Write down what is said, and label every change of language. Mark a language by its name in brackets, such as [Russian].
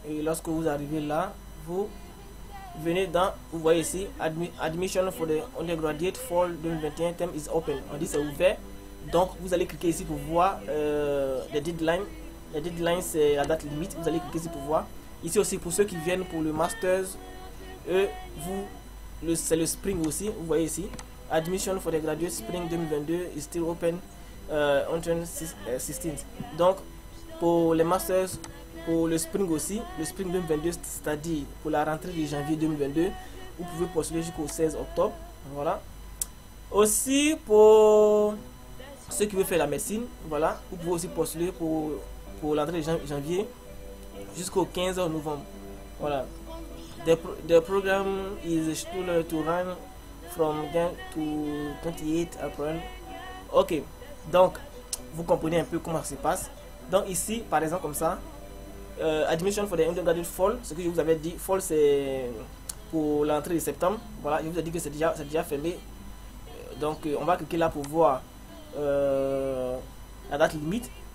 [French] Et lorsque vous arrivez là, vous venez dans, vous voyez ici, [English] admission for the undergraduate fall 2021 term is open. [French] On dit c'est ouvert. Donc vous allez cliquer ici pour voir les deadlines. Les deadlines, c'est la date limite. Vous allez cliquer ici pour voir. Ici aussi, pour ceux qui viennent pour le master, vous c'est le spring aussi, vous voyez ici. [English] Admission for the graduate spring 2022 is still open until 16th. [French] Donc, pour les masters, pour le spring aussi, le spring 2022, c'est-à-dire pour la rentrée de janvier 2022, vous pouvez postuler jusqu'au 16 octobre. Voilà. Aussi, pour ceux qui veulent faire la médecine, voilà, vous pouvez aussi postuler pour l'entrée de janvier jusqu'au 15 novembre. Voilà. [English] The program is still to run from 10 to 28 April. [French] Ok, donc vous comprenez un peu comment ça se passe. Donc ici, par exemple, comme ça, [English] admission for the undergraduate fall, [French] ce que je vous avais dit, fall c'est pour l'entrée de septembre. Voilà, je vous ai dit que c'est déjà fermé. Donc on va cliquer là pour voir la date limite.